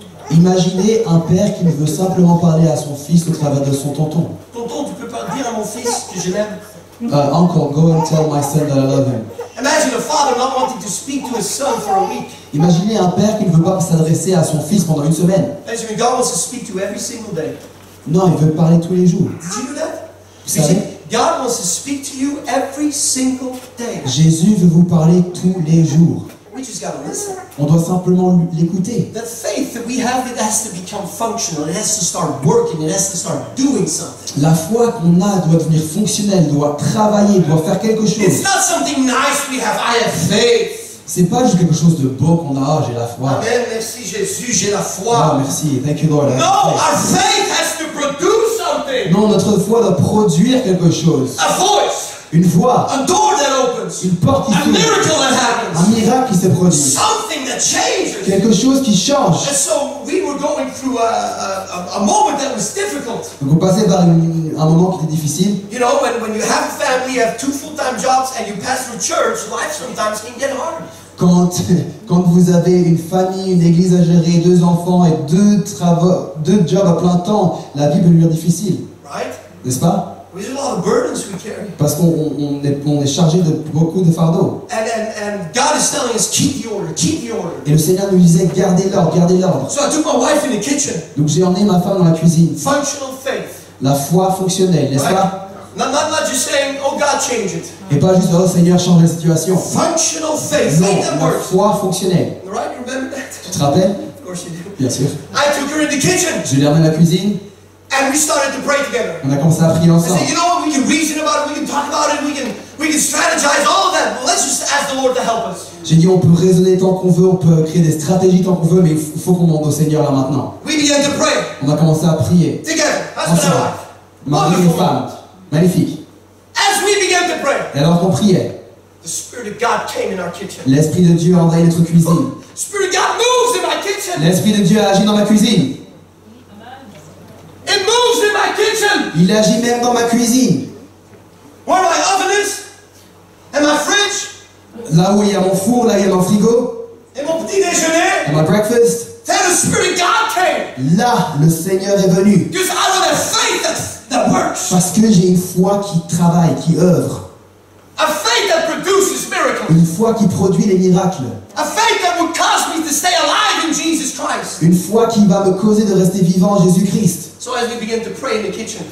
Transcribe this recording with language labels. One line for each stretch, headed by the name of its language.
French: Imaginez un père qui ne veut simplement parler à son fils au travers de son tonton. Tonton, tu peux pas dire à mon fils que je l'aime?
English: Uncle, go and tell my son that I love him. Imagine a father not wanting to speak to his son for a week.
French: Imaginez un père qui ne veut pas s'adresser à son fils pendant une semaine.
English: Imagine God wants to speak to every single day.
French: Non, il veut parler tous les jours. Vous savez?
English: God wants to speak to you every single day.
French: Jésus veut vous parler tous les jours.
English: We just gotta listen.
French: On doit simplement l'écouter.
English: The faith that we have, it has to become functional. It has to start working. It has to start doing something.
French: La foi qu'on a doit devenir fonctionnelle, doit travailler, doit faire quelque chose.
English: It's not something nice we have. I have faith.
French: C'est pas juste quelque chose de beau qu'on a, j'ai la foi. Amen, merci Jésus, j'ai la foi. Ah, merci,
English: thank you Lord. No, our faith has to produce something.
French: Non, notre foi doit produire quelque chose.
English: A voice.
French: Une voix.
English: A door that opens.
French: Une porte qui s'ouvre.
English: A miracle that happens.
French: Un miracle qui se produit.
English: Something that changes.
French: Quelque chose qui change.
English: And so we were going through a moment that was difficult.
French: Donc on passait par un moment qui était difficile.
English: You know, when you have a family, you have 2 full-time jobs, and you pass through church, life sometimes can get hard.
French: Quand vous avez une famille, une église à gérer, 2 enfants et 2 jobs à plein temps, la vie peut devenir difficile.
English: Right?
French: N'est-ce pas?
English: We have a lot of burdens we carry.
French: Parce qu'on est chargé de beaucoup de fardeaux.
English: And God is telling us, keep the order, keep the order.
French: Et le Seigneur nous disait, gardez l'ordre, gardez l'ordre.
English: So I took my wife in the kitchen.
French: Donc j'ai emmené ma femme dans la cuisine.
English: Functional faith.
French: La foi fonctionnelle, n'est-ce
English: right?
French: pas?
English: Not just saying, oh God, change it.
French: Et pas juste, oh Seigneur, change la situation.
English: Functional faith, faith that works.
French: Non, foi fonctionnelle.
English: Right, you remember that?
French: Tu te rappelles?
English: Of course you do.
French: Bien sûr.
English: I took her in the kitchen.
French: Je l'ai emmené à la cuisine.
English: And we started to pray together.
French: On a commencé à prier ensemble.
English: I said, you know what? We can reason about it. We can talk about it. We can strategize all of that. But let's just ask the Lord to help us.
French: J'ai dit, on peut raisonner tant qu'on veut, on peut créer des stratégies tant qu'on veut, mais il faut qu'on demande au Seigneur là maintenant.
English: We began to pray.
French: On a commencé à prier.
English: Together, husband and wife.
French: Mari et femme. Magnifique.
English: As we began to pray,
French: et alors qu'on priait,
English: the Spirit of God came in our kitchen.
French: L'Esprit de Dieu a envahi notre cuisine.
English: The Spirit of God moves in my kitchen.
French: L'Esprit de Dieu a agi dans ma cuisine.
English: It moves in my kitchen.
French: Il agit même dans ma cuisine.
English: Where my oven is, and my fridge,
French: là où il y a mon four, là où il y a mon frigo, et mon petit déjeuner,
English: and my breakfast, there the Spirit of God came.
French: Là, le Seigneur est venu.
English: Because out of the faith that that works.
French: Parce que j'ai une foi qui travaille, qui œuvre.
English: A faith that produces miracles.
French: Une foi qui produit les miracles.
English: A faith that would cause me to stay alive in Jesus Christ.
French: Une foi qui va me causer de rester vivant en Jésus Christ.
English: So as we begin to pray in the kitchen.